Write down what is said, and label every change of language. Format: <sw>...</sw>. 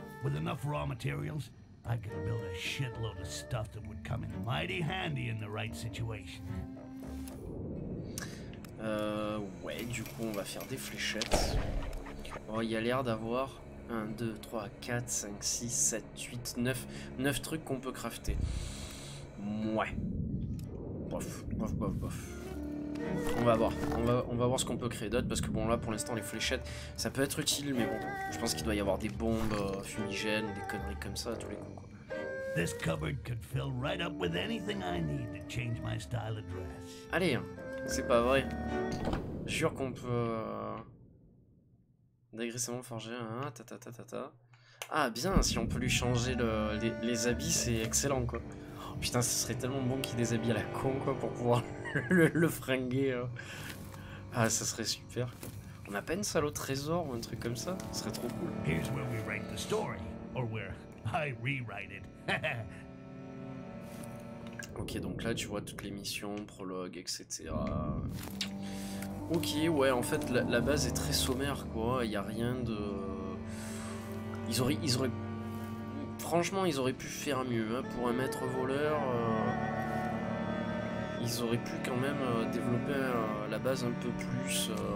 <en>With enough raw materials, I could build a shitload of stuff that would come in mighty handy in the right situation.</en> <fr>Ouais, du coup, on va faire des fléchettes. Oh, il y a l'air d'avoir 1, 2, 3, 4, 5, 6, 7, 8, 9. 9 trucs qu'on peut crafter. Mouais. Bof. On va voir ce qu'on peut créer d'autre. Parce que bon, là, pour l'instant, les fléchettes, ça peut être utile. Mais bon, je pense qu'il doit y avoir des bombes fumigènes, des conneries comme ça, à tous les coups. Quoi.</fr> <en>This cupboard could fill right up with anything I need to change my style of dress.</en> <fr>Allez, c'est pas vrai. Jure qu'on peut... D'agressement forgé, hein, ta. Ah, bien, si on peut lui changer les habits, c'est excellent, quoi. Oh, putain, ce serait tellement bon qu'il déshabille à la con, quoi, pour pouvoir le fringuer. Hein. Ah, ça serait super. On a pas une salle au trésor ou un truc comme ça? Ce serait trop cool.</fr> <en>Here's where we write the story, or where I rewrite it.</en> <fr>Ok, donc là, tu vois toutes les missions, prologue, etc. Ok, ouais, en fait, la base est très sommaire, quoi. Il n'y a rien de... Ils auraient... Franchement, ils auraient pu faire mieux. Hein. Pour un maître voleur, ils auraient pu quand même développer la base un peu plus...</fr>